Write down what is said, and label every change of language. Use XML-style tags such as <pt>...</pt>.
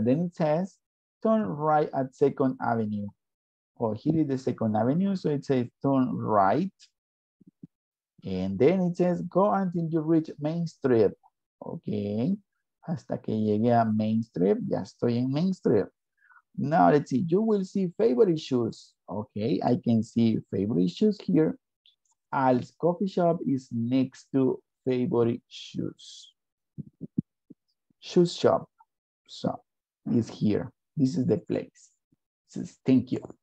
<en>Then it says turn right at Second Avenue. Oh, here is the Second Avenue, so it says turn right. And then it says go until you reach Main Street.</en> <es>Okay, hasta que llegue a Main Street, ya estoy en Main Street.</es> <en>Now let's see, you will see favorite shoes. Okay, I can see favorite shoes here. Al's coffee shop is next to favorite shoes. Shoes shop, so it's here. This is the place. It says thank you.</en>